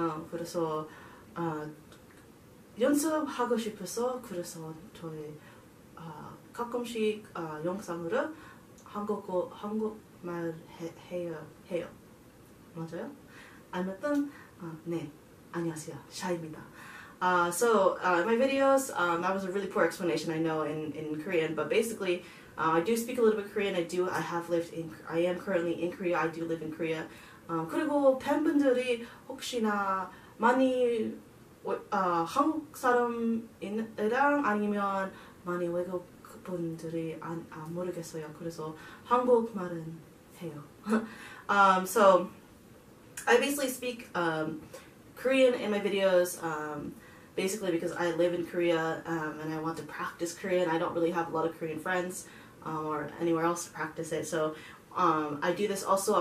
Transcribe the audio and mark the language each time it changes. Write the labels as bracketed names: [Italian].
[Korean] 그래서 연습하고 싶어서 그래서 저의 가끔씩 영상으로 한국말 해요. 맞아요? 아무튼 네, 안녕하세요, 샤입니다. [English] So my videos, that was a really poor explanation, I know, in Korean, but basically, I do speak a little bit Korean. I am currently in Korea. I do live in Korea. [Korean] 그리고 팬분들이 혹시나 많이 한국 사람이랑 아니면 많이 외국 분들이 모르겠어요. 그래서 한국 말은 해요. [English] So I basically speak Korean in my videos, basically because I live in Korea and I want to practice Korean. I don't really have a lot of Korean friends or anywhere else to practice it. So I do this also.